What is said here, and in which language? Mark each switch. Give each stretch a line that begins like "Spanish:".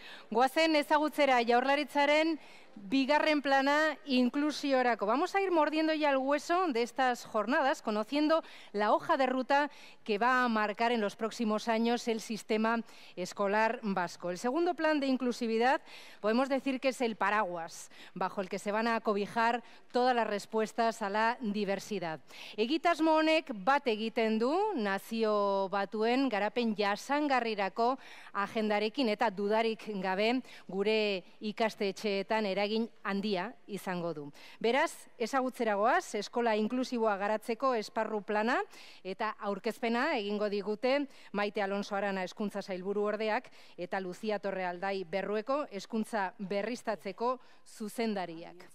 Basque: Goazen ezagutzera Jaurlaritzaren bigarren plana inklusiorako.
Spanish: Vamos a ir mordiendo ya el hueso de estas jornadas, conociendo la hoja de ruta que va a marcar en los próximos años el sistema escolar vasco. El segundo plan de inclusividad podemos decir que es el paraguas bajo el que se van a cobijar todas las respuestas a la diversidad.
Basque: Egitasmo honek bat egiten du nazio batuen garapen jasangarrirako agendarekin eta dudarik gabe gure ikastetxeetan eragin handia izango du. Beraz, ezagutzera goaz, eskola inklusiboa garatzeko esparru plana eta aurkezpena egingo digute Maite Alonso Arana hezkuntza sailburu ordeak eta Lucía Torrealdai Berrueko hezkuntza berriztatzeko zuzendariak.